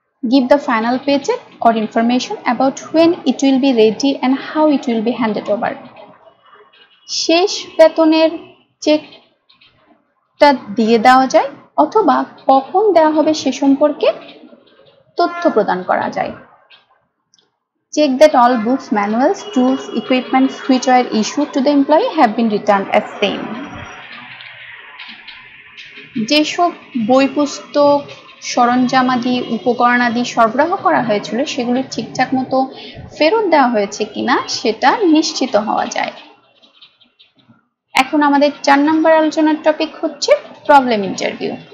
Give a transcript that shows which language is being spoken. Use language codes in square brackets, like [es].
[en] Give the final পেজে or information about when it will be ready and how it will be handed over. [bn] শেষ বেতনের চেকটা দিয়ে দেওয়া যায় অথবা কখন দেওয়া হবে সে সম্পর্কে তথ্য প্রদান করা যায়। [en] Check that all books, manuals, tools, equipment which are issued to the employee have been returned as same. [bn] যেসব বই, পুস্তক, সরঞ্জামাদি, উপকরণাদি সরবরাহ করা হয়েছিল সেগুলো ঠিকঠাক মতো ফেরত দেওয়া হয়েছে কিনা সেটা নিশ্চিত হওয়া যায়। এখন আমাদের চার নম্বর আলোচনার টপিক হচ্ছে প্রবলেম ইন্টারভিউ।